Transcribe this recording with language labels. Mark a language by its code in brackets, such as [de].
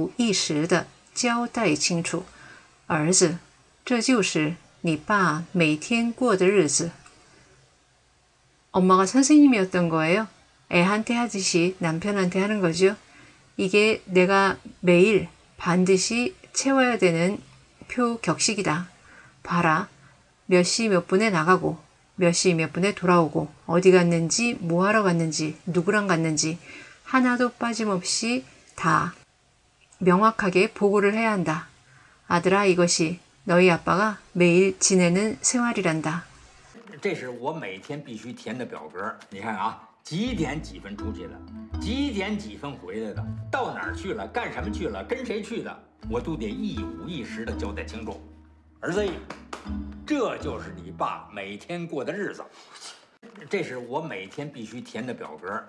[zh] 几点几分出去的？几点几分回来的？到哪儿去了？干什么去了？跟谁去的？我都得一五一十的交代清楚。儿子, 这就是你爸每天过的日子。 [ko] 엄마가 선생님이었던 거예요. 애한테 하듯이 남편한테 하는 거죠. 이게 내가 매일 반드시 채워야 되는 표 격식이다. 봐라. 몇시몇 분에 나가고, 몇시몇 분에 돌아오고, 어디 갔는지, 뭐 하러 갔는지, 누구랑 갔는지, 하나도 빠짐없이 다 명확하게 보고를 해야 한다. 아들아, 이것이 너희 아빠가 매일 지내는 생활이란다. [zh] 这是我每天必须填的表格，你看啊，几点几分出去的，几点几分回来的，到哪儿去了，干什么去了，跟谁去的，我都得一五一十的交代清楚。儿子，这就是你爸每天过的日子，这是我每天必须填的表格。